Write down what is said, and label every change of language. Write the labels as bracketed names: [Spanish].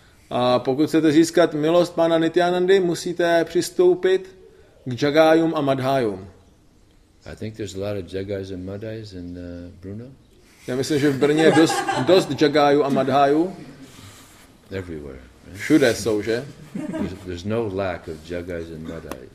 [Czech] A pokud chcete získat milost pána Nityanandy, musíte přistoupit k Jagajům a Madhajům. [English] I think there's a lot of Jagais and Madhais in Brno. [Czech] Já myslím, že v Brně je dost Jagajů a Madhajů. [English] Everywhere. Right? [Czech] Všude jsou, že? [English] There's no lack of Jagais and Madhais.